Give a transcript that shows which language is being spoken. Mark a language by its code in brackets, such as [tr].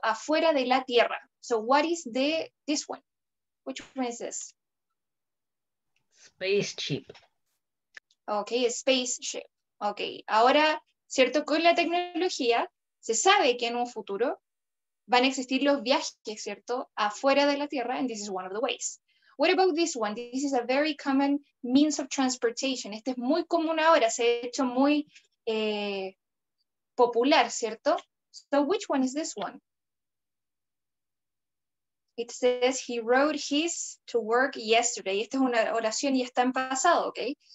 [es] Afuera de la tierra. [en] So, what is the this one? Which one is this? Spaceship. Okay, a spaceship. Okay, [es] ahora, ¿cierto? Con la tecnología, se sabe que en un futuro van a existir los viajes, ¿cierto? Afuera de la Tierra, [en] and this is one of the ways. What about this one? This is a very common means of transportation. [es] Este es muy común ahora, se ha hecho muy popular, ¿cierto? [en] So, which one is this one? It says, he rode his to work yesterday. [es] Esta es una oración y está en pasado, ¿ok?